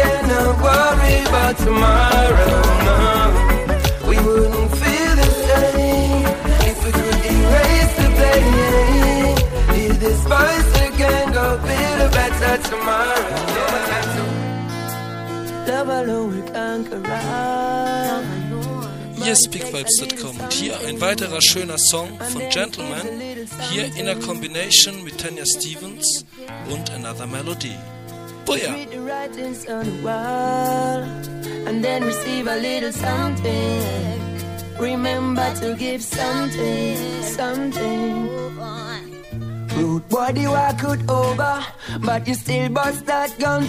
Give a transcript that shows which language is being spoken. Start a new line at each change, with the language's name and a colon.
English: Don't worry about tomorrow, no. We wouldn't feel the same if we could erase the pain. Hear this voice again, go feel a better tomorrow, yeah. Love alone we conquer all. YesPeakVibes.com.
German: Und hier ein weiterer schöner Song von Gentleman, hier in der Kombination mit Tanya Stevens und Another Melody.
English: Read the writings on the wall and then receive a little something. Remember to give something, something. Rude boy, the war could over, but you still bust that gun.